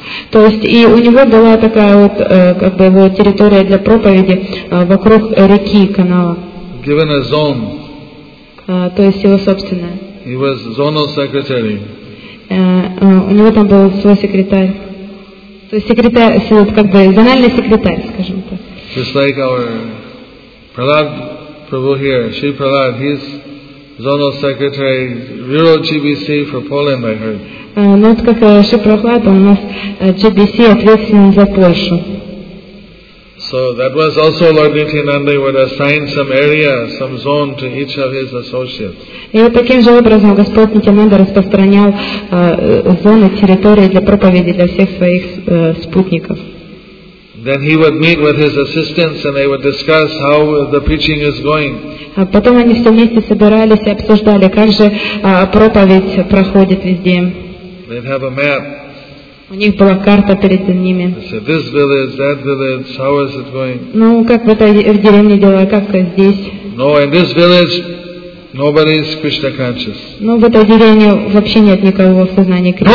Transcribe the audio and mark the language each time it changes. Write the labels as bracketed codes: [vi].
[ru] То есть, и у него была такая вот, как бы, его территория для проповеди вокруг реки, канала. [en] Given a zone. [ru] То есть, его собственное. [en] He was zonal secretary. [ru] У него там был свой секретарь. То есть, секретарь, как бы, зональный секретарь, скажем так. [en] Just like our Prahlad Prabhu here, Shri Prahlad, he's zonal secretary, rural GBC for Poland, I heard. [ru] Ну, вот как Шри Прохлад, у нас GBC ответственен за Польшу. [en] So that was also Lord Nityananda would assign some area, some zone to each of his associates. [ru] И вот таким же образом Господь Нитянанда распространял зоны, территории для проповеди для всех своих спутников. [en] Then he would meet with his assistants and they would discuss how the preaching is going. [ru] Потом они все вместе собирались и обсуждали, как же проповедь проходит везде. [en] They'd have a map. [ru] У них была карта перед ними. [en] Said, this village, that village, how is it going? [ru] Ну, как в этой деревне дела, как здесь? [en] No, in this village, nobody is Krishna conscious. [ru] Ну, в этой деревне вообще нет никого в сознании Кришны.